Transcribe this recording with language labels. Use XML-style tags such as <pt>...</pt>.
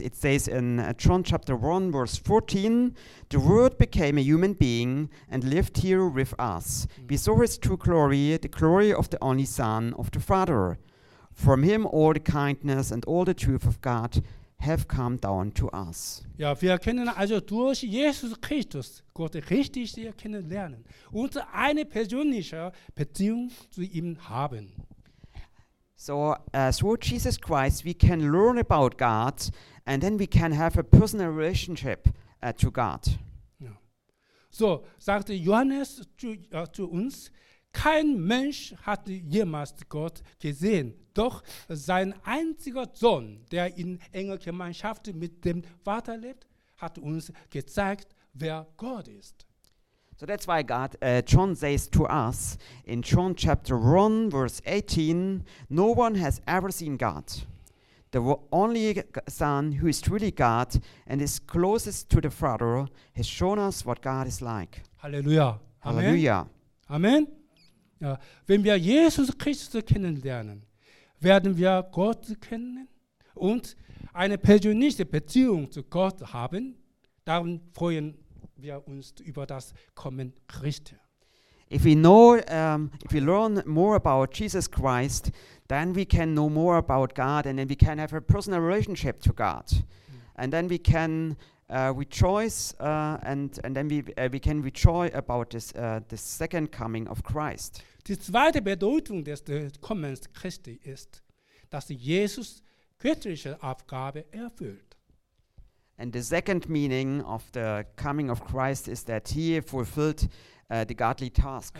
<en>It says in John chapter 1, verse 14, the Word became a human being and lived here with us. We saw his true glory, the glory of the only Son of the Father. From him all the kindness and all the truth of God have come down to us.</en> <de>Ja, wir können also durch Jesus Christus Gott richtig kennenlernen und eine persönliche Beziehung zu ihm haben.</de> <en>So through Jesus Christ we can learn about God and then we can have a personal relationship to God.</en> <de>Ja. So sagte Johannes zu uns, kein Mensch hat jemals Gott gesehen, doch sein einziger Sohn, der in enger Gemeinschaft mit dem Vater lebt, hat uns gezeigt, wer Gott ist.</de> <en>So that's why God, John says to us in John chapter 1, verse 18, no one has ever seen God. The only Son who is truly God and is closest to the Father has shown us what God is like. Hallelujah. Hallelujah. Amen.</en> <de>Ja, wenn wir Jesus Christus kennenlernen, werden wir Gott kennen und eine persönliche Beziehung zu Gott haben, dann freuen wir uns über das Kommen Christi.</de> <en>If we know, if we learn more about Jesus Christ, then we can know more about God and then we can have a personal relationship to God. And then we can rejoice we can rejoice about this the second coming of Christ.</en> <de>Die zweite Bedeutung des Kommens Christi ist, dass Jesus göttliche Aufgabe erfüllt.</de> <en>And the second meaning of the coming of Christ is that he fulfilled the godly task.</en>